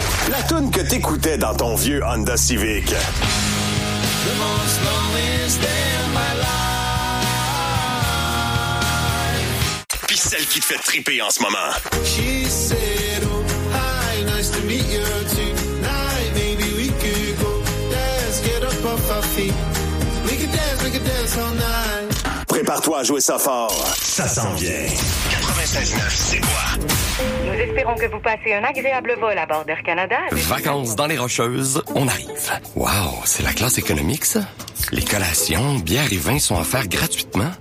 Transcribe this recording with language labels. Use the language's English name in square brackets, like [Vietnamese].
[French] La toune que t'écoutais dans ton vieux Honda Civic. [English] The most loneliest day of my life. [French] Pis celle qui te fait triper en ce moment. [English] She said, oh, hi, nice to meet you tonight. Maybe we could go dance, get up off our feet. We could dance all night. [French] Prépare-toi à jouer ça fort. Ça s'en vient. 96.9, c'est quoi? Nous espérons que vous passez un agréable vol à bord d'Air Canada. Vacances dans les Rocheuses, on arrive. Wow, c'est la classe économique, ça? Les collations, bières et vins sont offerts gratuitement.